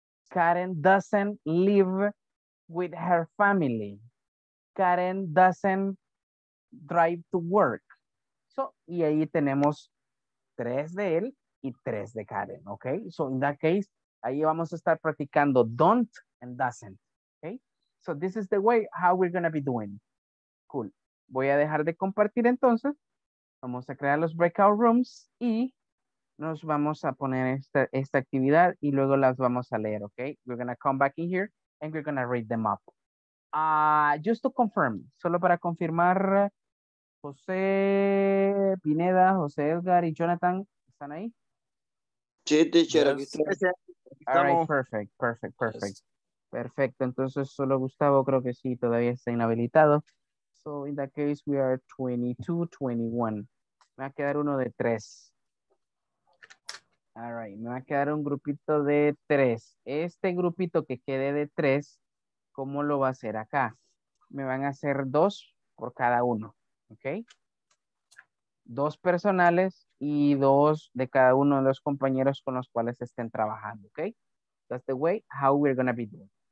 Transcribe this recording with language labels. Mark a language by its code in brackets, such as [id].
[en] Karen doesn't live with her family. Karen doesn't drive to work. [es] So, y ahí tenemos tres de él y tres de Karen, ¿ok? [en] So, in that case, [es] ahí vamos a estar practicando [en] don't and doesn't, ¿ok? So, this is the way how we're going to be doing. Cool. [es] Voy a dejar de compartir entonces. Vamos a crear los breakout rooms y nos vamos a poner esta actividad y luego las vamos a leer, ¿ok? [en] We're going to come back in here and we're going to read them up. Just to confirm, [es] solo para confirmar, José Pineda, José Edgar y Jonathan, ¿están ahí? Sí, teacher, aquí estamos. [en] All right, perfect, perfect, perfect. Yes. [es] Perfecto, entonces solo Gustavo creo que sí, todavía está inhabilitado. [en] So in that case, we are 22, 21. [es] Me va a quedar uno de tres. [en] All right, [es] me va a quedar un grupito de tres. Este grupito que quede de tres, ¿cómo lo va a hacer acá? Me van a hacer dos por cada uno, ¿ok? Dos personales y dos de cada uno de los compañeros con los cuales estén trabajando, ¿ok? [en] That's the way how we're going to be doing.